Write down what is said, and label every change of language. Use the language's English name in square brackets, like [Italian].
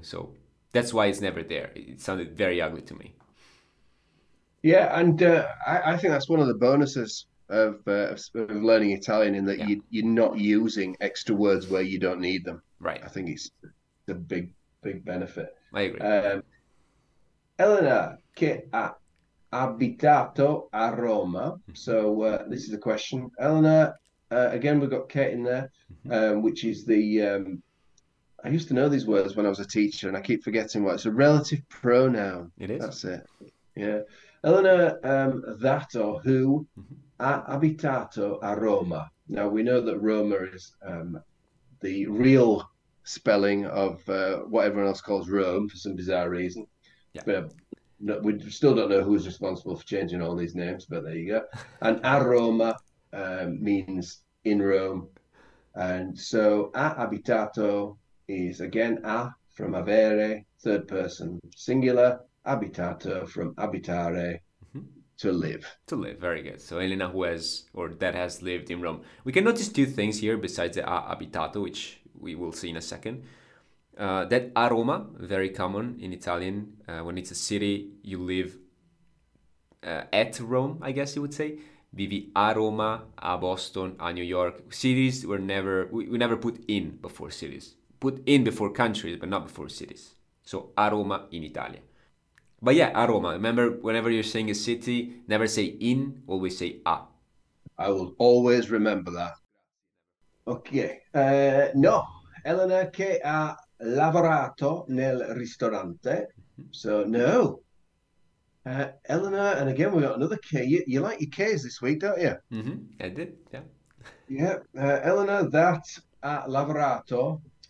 [English] So that's why it's never there. It sounded very ugly to me. Yeah, and I think that's one of the bonuses of learning Italian, in that you're not using extra words where you don't need them. I think it's a big benefit. I agree. [Italian] Elena, che ha abitato a Roma? [English] So this is a question. Elena, again, we've got che in there, which is the I used to know these words when I was a teacher, and I keep forgetting what it's a relative pronoun. It is. That's it. Yeah. Elena, that or who [Italian] ha abitato a Roma? [English] Now we know that Roma is the real spelling of what everyone else calls Rome for some bizarre reason. But no, we still don't know who's responsible for changing all these names, but there you go. And a Roma means in Rome. And so [Italian] ha abitato [English] is again a from avere, third person singular. Abitato from abitare, to live. To live, very good. So Elena, who has or that has lived in Rome, we can notice two things here besides the abitato, which we will see in a second. That a Roma, very common in Italian, when it's a city, you live at Rome, I guess you would say. [Italian] Vivi a Roma, a Boston, a New York. [English] Cities were never we never put in before cities, put in before countries, but not before cities. So [Italian] a Roma in Italia. [English] But yeah, a Roma. Remember, whenever you're saying a city, never say in, always say a. I will always remember that. Okay. [Italian] No, Elena che ha lavorato nel ristorante. [English] So no, Elena. And again, we got another K. You like your K's this week, don't you? I did, yeah. Yeah, Elena that [Italian] ha lavorato.